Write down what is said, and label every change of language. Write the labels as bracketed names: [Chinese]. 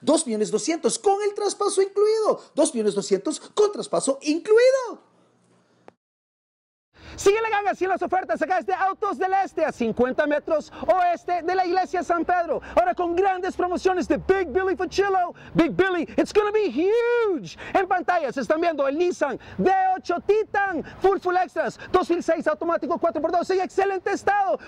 [Spanish] 2.200.000 con el traspaso incluido. 2.200.000 con traspaso incluido. Sigue la ganga, sigue las ofertas acá desde Autos del Este a 50 metros oeste de la Iglesia San Pedro. Ahora con grandes promociones de Big Billy Fachillo. [English] Big Billy, it's gonna be huge. [Spanish] En pantalla se están viendo el Nissan V8 Titan, full extras, 2006 automático 4x2 en excelente estado.